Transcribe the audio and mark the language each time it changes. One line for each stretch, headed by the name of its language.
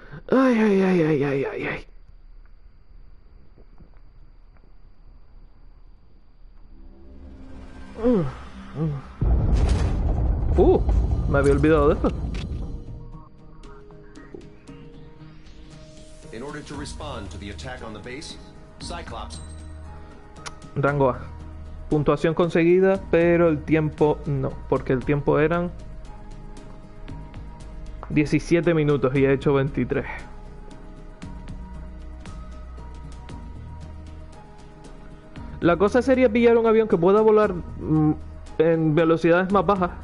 Spanish: Ay. Me había olvidado de esto.
English: In order to respond to the attack on the base, Cyclops.
Spanish: Rango A. Puntuación conseguida, pero el tiempo no, porque el tiempo eran 17 minutos y he hecho 23. La cosa sería pillar un avión que pueda volar en velocidades más bajas.